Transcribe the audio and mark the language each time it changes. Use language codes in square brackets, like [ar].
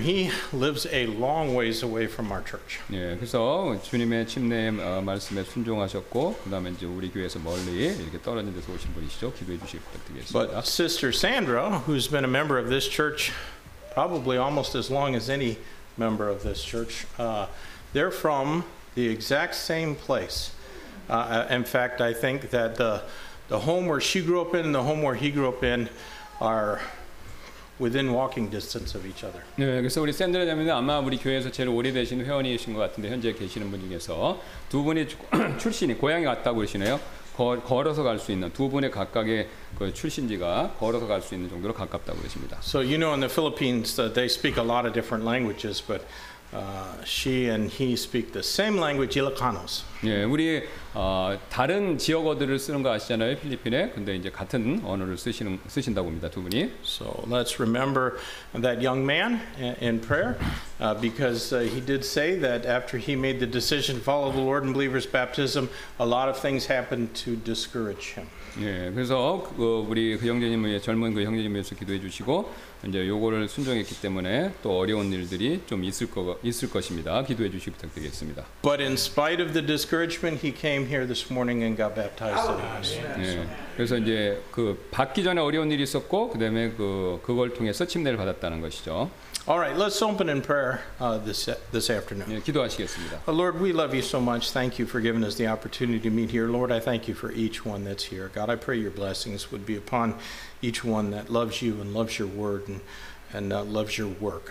[en] He lives a long ways away from our church. [ko] 예, 그래서 주님의 침례 말씀에 순종하셨고, 그다음에 이제 우리 교회에서 멀리 이렇게 떨어진 데서 오신 분이시죠? 기도해 주시기 부탁드리겠습니다. [en] But Sister Sandra, who's been a member of this church probably almost as long as any member of this church, they're from the exact same place. In fact, I think that the home where she grew up in and the home where he grew up in are within walking distance of each other. [ko] 네, 그래서 우리 샌드라 자매는 아마 우리 교회에서 제일 오래되신 회원이신 것 같은데 현재 계시는 분 중에서 두 분이 출신이 고향에 왔다고 그러시네요. 걸어서 갈 수 있는 두 분의 각각의 그 출신지가 걸어서 갈 수 있는 정도로 가깝다고 그러십니다. [en] So you know, in the Philippines, they speak a lot of different languages, but she and he speak the same language, Ilocanos. [ko] 예, 우리 다른 지역어들을 쓰는 거 아시잖아요, 필리핀에. 근데 이제 같은 언어를 쓰신다고 합니다, 두 분이. [en] So let's remember that young man in prayer, because he did say that after he made the decision to follow the Lord in believer's baptism, a lot of things happened to discourage him. [ko] 예, 그래서 그 우리 그 형제님의 젊은 그 형제님께서 기도해 주시고 이제 요거를 순종했기 때문에 또 어려운 일들이 좀 있을 것입니다. 기도해 주시기 부탁드리겠습니다. [en] But in spite of the discouragement, he came here this morning and got baptized. Oh, yes. 예. [ko] 그래서 이제 그 받기 전에 어려운 일이 있었고 그다음에 그 그걸 통해서 침례를 받았다는 것이죠. [en] All right, let's open in prayer this afternoon. [ko] 예, 기도하시겠습니다. [en] Lord, we love you so much. Thank you for giving us the opportunity to meet here. Lord, I thank you for each one that's here. God, I pray your blessings would be upon each one that loves you and loves your word and loves your work.